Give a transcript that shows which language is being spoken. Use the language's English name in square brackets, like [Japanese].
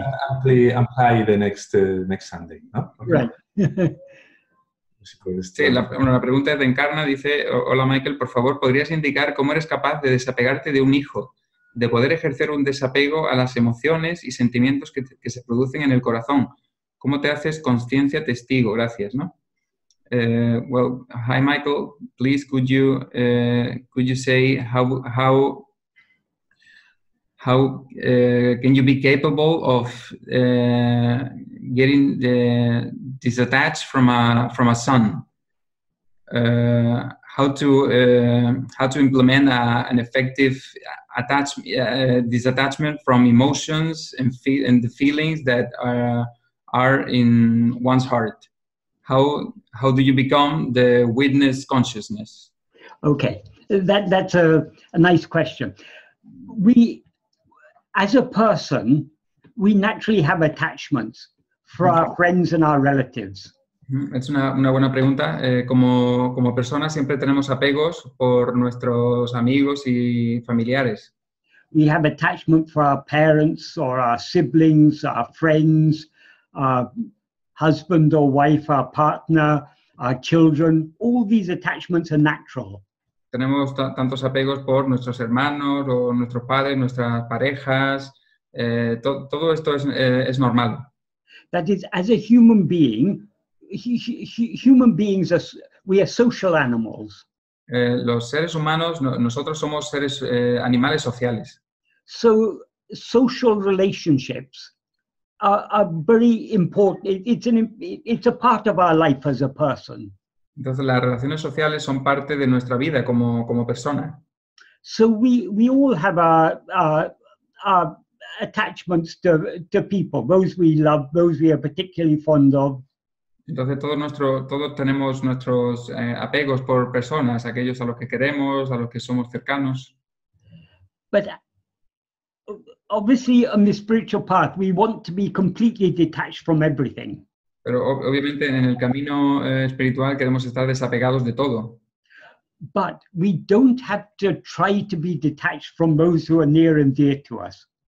[English] Amply the next Sunday, [Spanish] ¿no? [English] Okay. Right. [Spanish] Si puedes, sí, la pregunta es de Encarna, dice, hola Michael, por favor, ¿podrías indicar cómo eres capaz de desapegarte de un hijo, de poder ejercer un desapego a las emociones y sentimientos que se producen en el corazón? ¿Cómo te haces consciencia testigo? Gracias, ¿no? [English] Well, hi Michael, please could you say how can you be capable of getting disattached from a son? How to implement an effective disattachment from emotions and the feelings that are in one's heart? How do you become the witness consciousness? Okay, that's a nice question. We, as a person, we naturally have attachments for our friends and our relatives. [Spanish] Es una buena pregunta. Como personas siempre tenemos apegos por nuestros amigos y familiares. [English] We have attachment for our parents or our siblings, our friends, husband or wife, our partner, our children, all these attachments are natural. [Spanish] Tenemos tantos apegos por nuestros hermanos o nuestros padres, nuestras parejas. Todo esto es normal. [English] That is, as a human being, we are social animals. [Spanish] Los seres humanos, nosotros somos seres animales sociales. [English] So, social relationships are very important. It's a part of our life as a person. [Spanish] Entonces las relaciones sociales son parte de nuestra vida como persona. [English] So we all have our attachments to people, those we love, those we are particularly fond of. [Spanish] Entonces todos tenemos nuestros apegos por personas, aquellos a los que queremos, a los que somos cercanos. [English] But obviously, on the spiritual path, we want to be completely detached from everything. [Spanish] Pero obviamente en el camino espiritual queremos estar desapegados de todo. [English] But we don't have to try to be detached from those who are near and dear to us.